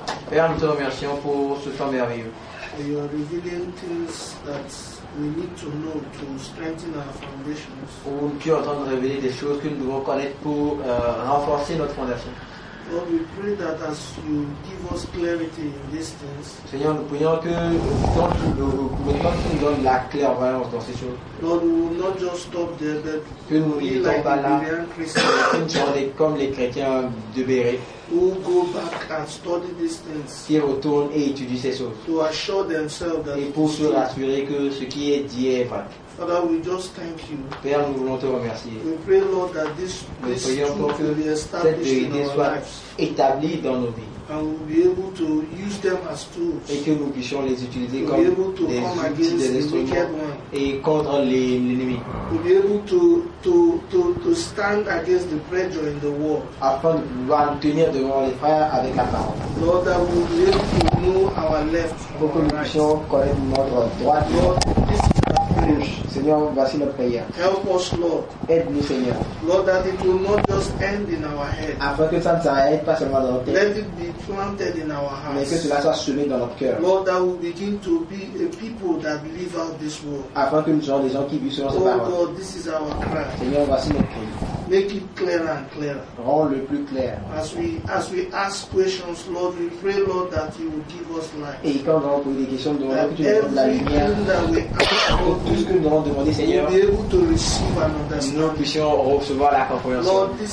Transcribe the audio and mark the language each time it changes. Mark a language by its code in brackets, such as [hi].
[fr] Père, nous te remercions pour ce temps merveilleux. [en] You are revealing things that we need to know to strengthen our foundations. [fr] Oh, tu es en train de révéler des choses que nous devons connaître pour renforcer notre fondation. [en] Lord, we pray that as you give us clarity in these things. [fr] Seigneur, nous prions que quand tu nous donnes la clairvoyance dans ces choses. [en] Lord, we will not just stop there, but [fr] que nous ne sommes pas là, que nous sommes comme les chrétiens de Béret. [en] Who go back and study these things, [fr] qui retournent et étudient ces choses. [en] To assure themselves that [fr] et pour se rassurer que ce qui est dit est vrai. [en] Father, we just thank you. [fr] Père, nous voulons te remercier. [en] We pray, Lord, that this, [fr] nous prions pour que cette vérité soit établie dans nos vies. [en] And we'll be able to use them as tools. [fr] Et que nous puissions les utiliser comme des outils, des instruments et contre l'ennemi. [en] We'll be able to stand against the pressure in the world. [fr] Afin de pouvoir nous tenir devant les frères avec la parole. [en] Lord, that we'll be able to know our left. [fr] Pour que nous puissions connaître notre droite. [en] Lord, [fr] Seigneur, voici notre prière. [en] Help us, Lord. [fr] Aide-nous, Seigneur. [en] Lord, that it will not just end in our head. [fr] Afin que ça ne s'arrête pas seulement dans notre tête. [en] Let it be planted in our hearts. [fr] Mais que cela soit semé dans notre cœur. [en] Lord, that we begin to be a people that live out this word. [fr] Afin que nous soyons des gens qui vivent selon ces paroles. [en] Oh God, this is our cry. [fr] Seigneur, voici notre prière. [en] Make it clearer and clearer. [fr] Rends-le plus clair. [en] As we ask questions, Lord, we pray, Lord, that you will give us light. [fr] Et quand on pose des questions, nous demandons que tu nous donnes la lumière. Tout ce que nous devons demander, Seigneur, nous puissions recevoir la compréhension.